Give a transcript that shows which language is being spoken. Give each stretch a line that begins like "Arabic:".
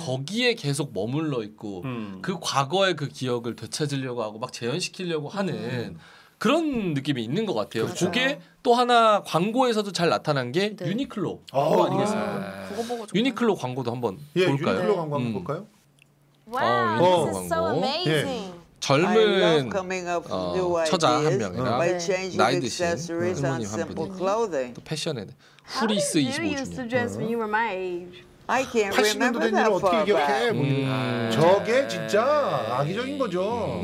Korean: 거기에 계속 머물러 있고 그 과거의 그 기억을 되찾으려고 하고 막 재현시키려고 하는 그런 느낌이 있는 것 같아요. 맞아요. 그게 또 하나 광고에서도 잘 나타난 게 네. 유니클로 그거 아니겠습니까? 그거 보고 정말... 유니클로 광고도 한번 예, 볼까요? 유니클로 광고 한번 볼까요?
English: 와우, wow, this is so amazing.
Korean: 예. 젊은 처자 한 명이나 나이 드신 부모님 한 분이 또 패션에 후리스 25주년 80년도 된 일을 어떻게 기억해? 저게 진짜 악의적인 거죠.